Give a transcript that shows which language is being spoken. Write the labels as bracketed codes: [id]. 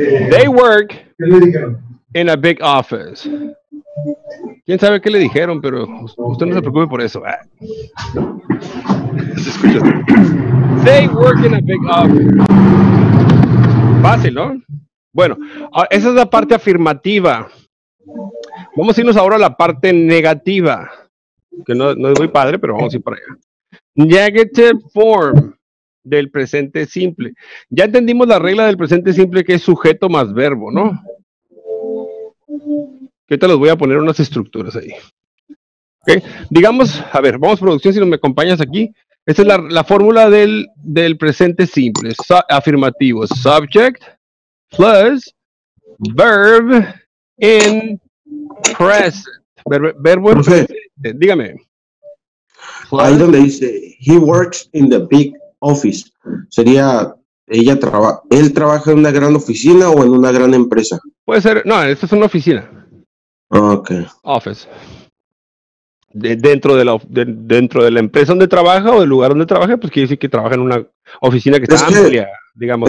[en] They work in a big office. [es] ¿Quién sabe qué le dijeron? Pero usted no se preocupe por eso. [en] They work in a big office. [es] Fácil, ¿no? Bueno, esa es la parte afirmativa. Vamos a irnos ahora a la parte negativa. Que no es muy padre, pero vamos a ir para allá. [en] Negative form [es] del presente simple. Ya entendimos la regla del presente simple, que es sujeto más verbo, ¿no? Que te los voy a poner unas estructuras ahí. ¿Okay? Digamos, a ver, vamos a producción, si no me acompañas aquí. Esta es la fórmula del presente simple. Afirmativo. [en] Subject plus verb in present. [es] Verbo en presente. Dígame. Ahí donde dice, [en] he works in the big office. [es] Sería, él trabaja en una gran oficina o en una gran empresa. Puede ser, no, esta es una oficina. [en] Okay. Office. [es] Dentro de la empresa donde trabaja o del lugar donde trabaja, pues quiere decir que trabaja en una oficina que está amplia, digamos.